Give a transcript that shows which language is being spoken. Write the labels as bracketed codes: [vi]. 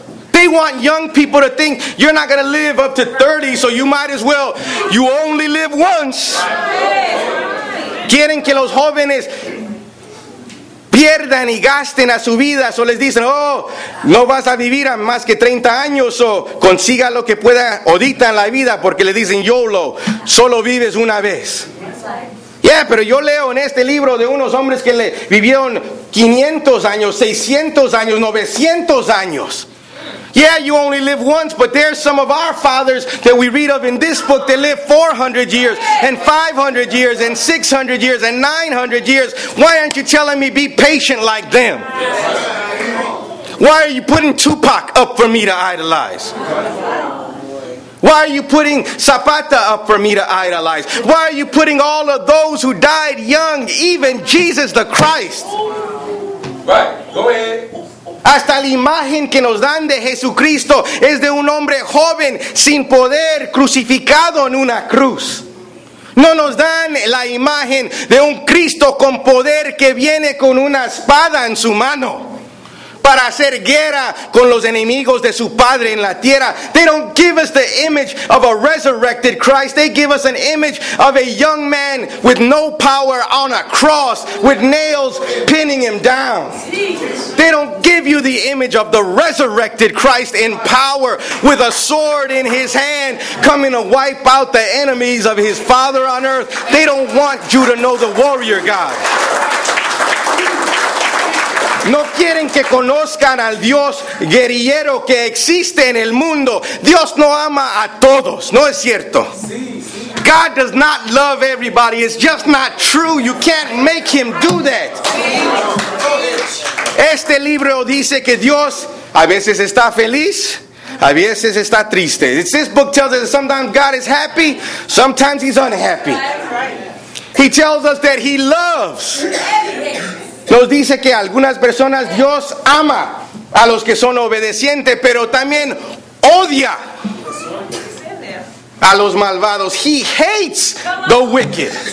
[en] They want young people to think you're not going to live up to 30, so you might as well. You only live once. [es] Quieren que los jóvenes pierdan y gasten a su vida, so les dicen, oh, no vas a vivir a más que 30 años, o consiga lo que pueda ahorita en la vida, porque le dicen YOLO, solo vives una vez. Yeah, pero yo leo en este libro de unos hombres que le vivieron 500 años, 600 años, 900 años. [en] Yeah, you only live once, but there's some of our fathers that we read of in this book that live 400 years and 500 years and 600 years and 900 years. Why aren't you telling me be patient like them? Yes. Why are you putting Tupac up for me to idolize? Why are you putting Zapata up for me to idolize? Why are you putting all of those who died young, even Jesus the Christ? Right, go ahead. [es] Hasta la imagen que nos dan de Jesucristo es de un hombre joven sin poder crucificado en una cruz. No nos dan la imagen de un Cristo con poder que viene con una espada en su mano para hacer guerra con los enemigos de su padre en la tierra. [en] They don't give us the image of a resurrected Christ. They give us an image of a young man with no power on a cross with nails pinning him down. They don't give you the image of the resurrected Christ in power with a sword in his hand coming to wipe out the enemies of his father on earth. They don't want you to know the warrior God. [es] No quieren que conozcan al Dios guerrillero que existe en el mundo. Dios no ama a todos, ¿no es cierto? [en] God does not love everybody. It's just not true. You can't make him do that. Este libro dice que Dios a veces está feliz, a veces está triste. This book tells us that sometimes God is happy, sometimes he's unhappy. He tells us that he loves. [es] Nos dice que algunas personas Dios ama a los que son obedientes, pero también odia a los malvados. [en] He hates the wicked.